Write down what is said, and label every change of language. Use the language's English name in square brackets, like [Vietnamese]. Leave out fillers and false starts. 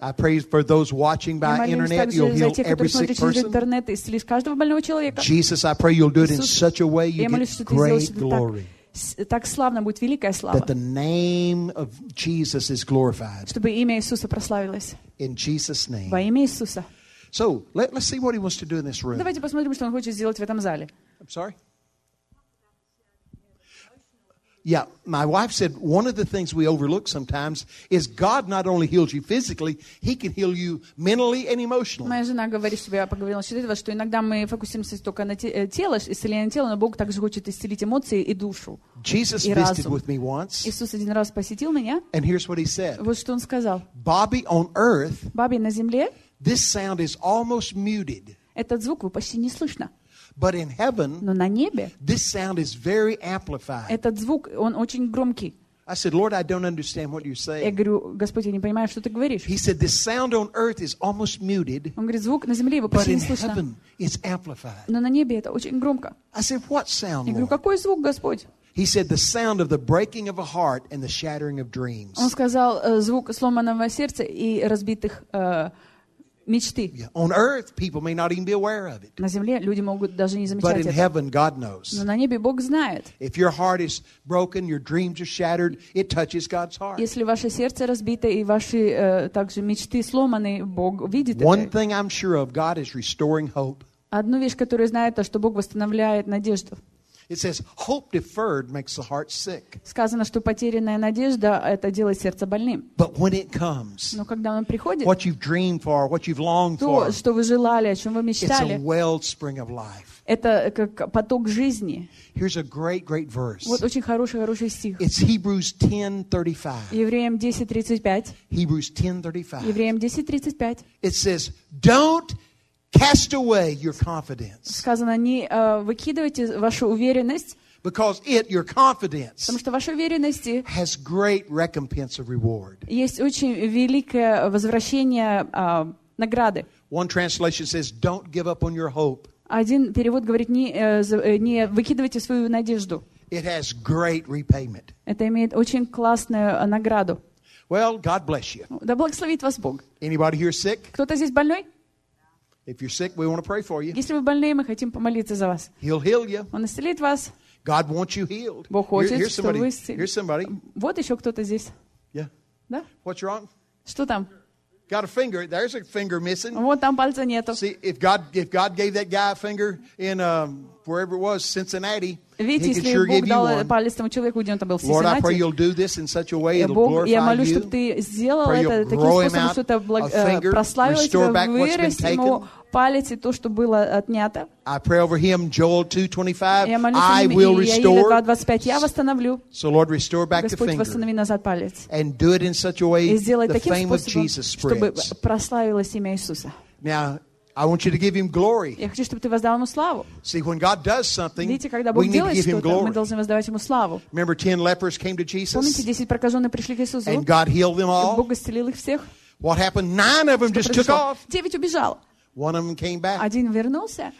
[English] I pray for those watching by internet you'll heal every sick person. [Russian] Исцелишь каждого больного человека. [English] Jesus, I pray you'll do it in such a way you get great glory. [Russian] Так славно будет великая слава. [English] That the name of Jesus is glorified. [Russian] Чтобы имя Иисуса прославилось. [English] In Jesus' name. [Russian] Во имя Иисуса. [English] So, let's see what he wants to do in this room. [Russian] Давайте посмотрим, что он хочет сделать в этом зале. [English] I'm sorry. Yeah, my wife said one of the things we overlook sometimes is God not only heals you physically, he can heal you mentally and emotionally. [Russian] Моя жена говорит, что я поговорила насчет этого, что иногда мы фокусируемся только на тело, исцеление тела, но Бог также хочет исцелить эмоции и душу. [English] Jesus visited with me once. [Russian] Иисус один раз посетил меня. [English] And here's what he said. [Russian] Вот что он сказал. [English] Bobby on earth. [Russian] Бобби на земле. [English] This sound is almost muted. [Russian] Этот звук почти не слышно. [English] But in heaven, [Russian] но на небе, [English] this sound is very amplified. [Russian] Этот звук, он очень громкий. [English] I said, "Lord, I don't understand what you're saying." [Russian] Я говорю, Господь, я не понимаю, что ты говоришь. [English] He said, "This sound on earth is almost muted." [Russian] Он говорит, звук на земле его почти не слышно. [English] But in heaven, it's amplified. [Russian] Но на небе это очень громко. [English] I said, "What sound, Lord?" [Russian] Я говорю, какой звук, Господь? [English] He said, "The sound of the breaking of a heart and the shattering of dreams." [Russian] Он сказал, звук сломанного сердца и разбитых мечты. [English] Yeah. On earth, people may not even be aware of it. [Russian] На земле люди могут даже не замечать [English] But in [Russian] это. [English] Heaven, God knows. [Russian] Но на небе Бог знает. [English] If your heart is broken, your dreams are shattered, it touches God's heart. [Russian] Если ваше сердце разбито и ваши также мечты сломаны, Бог видит [English] One [Russian] это. [English] One thing I'm sure of, God is restoring hope. [Russian] Одну вещь, которую знает, то, что Бог восстанавливает надежду. [English] It says, hope deferred makes the heart sick. [Russian] Сказано, что потерянная надежда — это делает сердце больным. [English] But when it comes, [Russian] но когда он приходит, [English] what you've dreamed for, what you've longed [Russian] то, [English] for, [Russian] что вы желали, о чем вы мечтали, [English] it's a wellspring of life. [Russian] Это как поток жизни. [English] Here's a great, great verse. [Russian] Вот очень хороший стих. [English] It's Hebrews 10:35. [Russian] Евреям 10:35. [English] Hebrews 10:35. [Russian] Евреям 10:35. [English] It says, don't cast away your confidence. [Russian] Сказано, не выкидывайте вашу уверенность. [English] Because it, your confidence, [Russian] потому что ваша уверенность [English] has great recompense of reward. [Russian] Есть очень великое возвращение награды. [English] One translation says, don't give up on your hope. [Russian] Один перевод говорит, не выкидывайте свою надежду. [English] It has great repayment. [Russian] Это имеет очень классную награду. [English] Well, God bless you. [Russian] Да благословит вас Бог. [English] Anybody here sick? [Russian] Кто-то здесь больной? [English] If you're sick, we want to pray for you. [Russian] Если вы больные, мы хотим помолиться за вас. [English] He'll heal you. [Russian] Он исцелит вас. [English] God wants you healed. [Russian] Бог хочет, чтобы вы исцелились. [English] Here's somebody. [Russian] Вот еще кто-то здесь. [English] Yeah. [Russian] Да? [English] What's wrong? [Russian] Что там? [English] Got a finger. There's a finger missing. [Russian] Вот там пальца нету. [English] See, if God gave that guy a finger in wherever it was, Cincinnati, [Russian] видите, [English] he could sure [Russian] Бог [English] give you [Russian] дал [English] one. [Russian] Палец тому человеку, где он там был, в Cincinnati. [English] Lord, I pray you'll do this in such a way it'll glorify you. [Russian] Я молюсь, чтобы ты сделал это таким способом, что это прославило тебя, вырастил ему палец и то, что было отнято. [English] I pray over him, Joel 2:25. [Russian] Я молюсь [English] I will restore. [Russian] 2:25. Я восстановлю. [English] So Lord, restore back [Russian] Господь, [English] the finger. [Russian] Господь, восстанови назад палец. [English] And do it in such a way [Russian] и сделай [English] the [Russian] таким [English] fame [Russian] способом, [English] of Jesus spreads. [Russian] Чтобы прославилось имя Иисуса. [English] Now, I want you to give him glory. [Russian] Я хочу, чтобы ты воздал ему славу. [English] See, when God does something, [Russian] видите, когда Бог делает что-то, мы должны воздавать ему славу. [English] Remember, 10 lepers came to Jesus. [Russian] Помните, 10 прокаженных пришли к Иисусу. [English] And God healed them all. [Russian] И Бог исцелил их всех. [English] What happened? 9 of them just took off. [Russian] 9 убежало. [English] One of them came back. [Russian] Один вернулся.